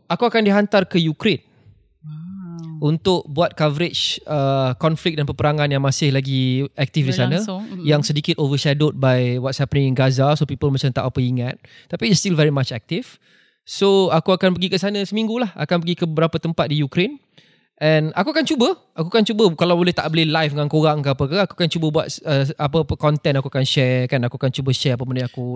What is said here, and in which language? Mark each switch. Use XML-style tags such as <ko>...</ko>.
<ms>Aku akan dihantar ke Ukraine. Untuk buat coverage konflik dan peperangan yang masih lagi aktif di sana. Yang sedikit</ms> <en>overshadowed by what's happening in Gaza. So people</en> <ms>macam tak apa ingat. Tapi</ms> <en>it's still very much active.</en> <ms>So aku akan pergi ke sana seminggu lah. Akan pergi ke beberapa tempat di Ukraine. And aku akan cuba kalau boleh tak boleh live dengan korang ke apa ke, aku akan cuba buat apa-apa content aku akan share kan. Aku akan cuba share apa benda aku</ms>